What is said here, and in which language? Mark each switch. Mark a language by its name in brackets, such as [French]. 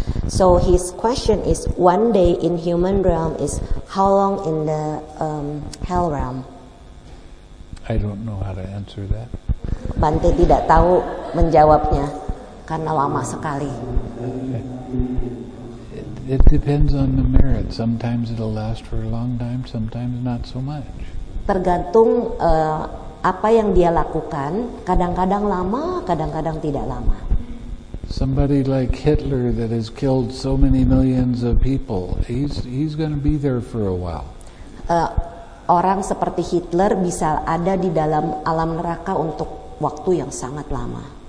[English] So his question is, one day in human realm is how long in the hell realm? I don't know how to answer that. [Indonesian] Bante tidak tahu menjawabnya. Karena lama sekali. [English] It depends on the merit. Sometimes it'll last for a long time, sometimes not so much. [Indonesian] Tergantung apa yang dia lakukan, kadang-kadang lama, kadang-kadang tidak lama. [English] Somebody like Hitler that has killed so many millions of people, he's going to be there for a while. [Indonesian] Orang seperti Hitler bisa ada di dalam alam neraka untuk waktu yang sangat lama.